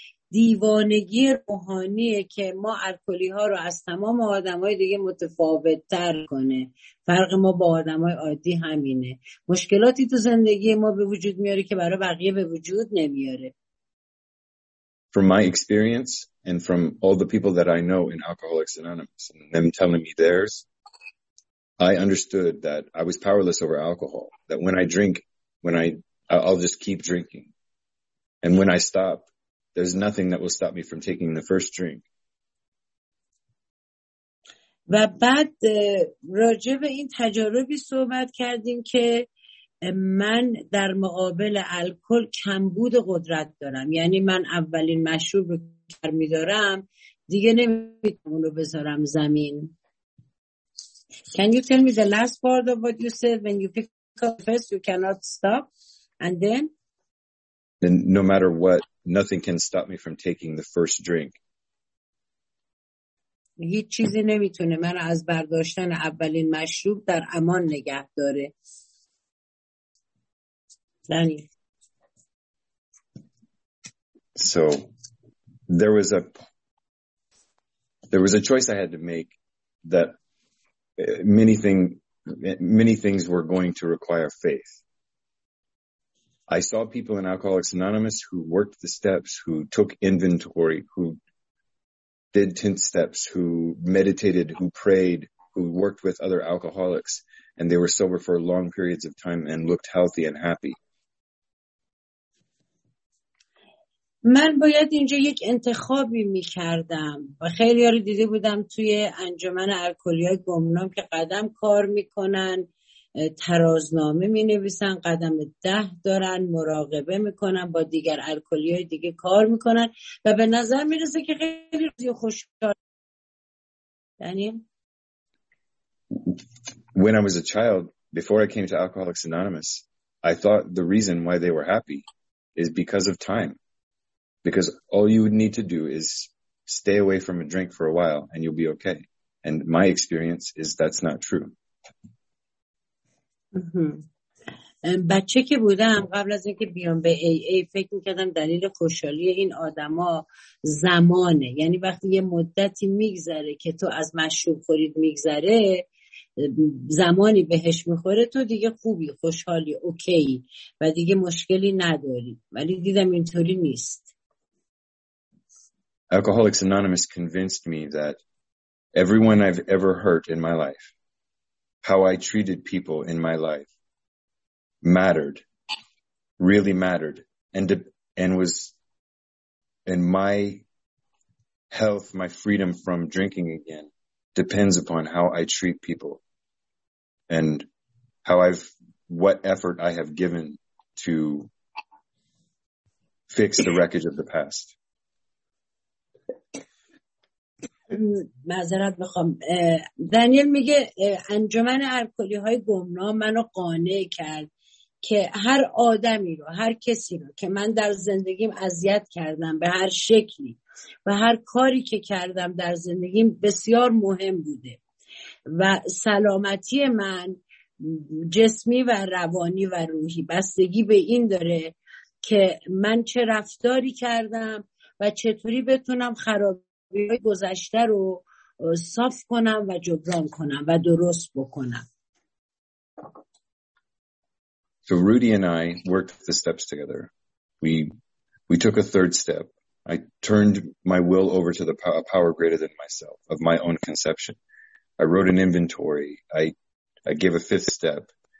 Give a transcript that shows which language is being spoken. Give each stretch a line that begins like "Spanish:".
Persian: دیوانگی روحانیه که ما الکلی ها رو از تمام آدم های دیگه متفاوت تر کنه. فرق ما با آدم های عادی همینه. مشکلاتی تو زندگی ما به وجود میاره که برای بقیه به وجود نمیاره.
English: From my experience and from all the people that I know in Alcoholics Anonymous and them telling me theirs, I understood that I was powerless over alcohol. That when I drink, I'll just keep drinking. And when I stop, there's nothing that will stop me from taking the first drink.
Persian: و بعد راجع به این تجربه صحبت کردیم که من در مقابل الکل کمبود قدرت دارم. یعنی من اولین مشروب رو که می‌دارم دیگه نمی‌تونم اون رو بذارم زمین.
English: Can you tell me the last part of what you said? When you pick up first, you cannot stop. And then? Then no matter what, nothing can stop me from taking the first drink.
Persian: هیچ چیزی نمیتونه من از برداشتن اولین مشروب در امان نگه داره.
English: So there was a choice I had to make that many things were going to require faith. I saw people in Alcoholics Anonymous who worked the steps, who took inventory, who did 10 steps, who meditated, who prayed, who worked with other alcoholics, and they were sober for long periods of time and looked healthy and happy.
Persian: من باید اینجا یک انتخابی می‌کردم و خیلی یاری دیده بودم توی انجمن الکلی‌های گمنام که قدم کار می‌کنن. ترازنامه می نویسن، قدم 10 دارن، مراقبه می کنن، با دیگر الکلی های دیگه کار می کنن و به نظر می رسه که خیلی روزی خوشحال. یعنی
English: When I was a child, before I came to Alcoholics Anonymous, I thought the reason why they were happy is because of time. Because all you would need to do is stay away from a drink for a while and you'll be okay. And my experience is that's not true.
Persian: بچه که بودم قبل از اینکه بیام به AA فکر میکردم دلیل خوشحالی این آدم ها زمانه، یعنی وقتی یه مدتی میگذره که تو از مشروب خورید میگذره زمانی بهش میخوره تو دیگه خوبی، خوشحالی، اوکی و دیگه مشکلی نداری، ولی دیدم اینطوری نیست.
English: Alcoholics Anonymous convinced me that everyone I've ever hurt in my life, how I treated people in my life mattered, really mattered, and my health, my freedom from drinking again depends upon how I treat people and what effort I have given to fix the wreckage of the past.
Persian: معذرت بخوام. دانیل میگه انجمن الکلی های گمنام منو قانع کرد که هر آدمی رو، هر کسی رو که من در زندگیم اذیت کردم به هر شکلی و هر کاری که کردم در زندگیم بسیار مهم بوده و سلامتی من جسمی و روانی و روحی بستگی به این داره که من چه رفتاری کردم و چطوری بتونم خراب گذشته رو صاف کنم و جبران کنم و درست بکنم.
English: So Rudy and I worked the steps together. We took a third step. I turned my will over to the power greater than myself, of my own conception. I wrote an inventory. I gave a fifth step.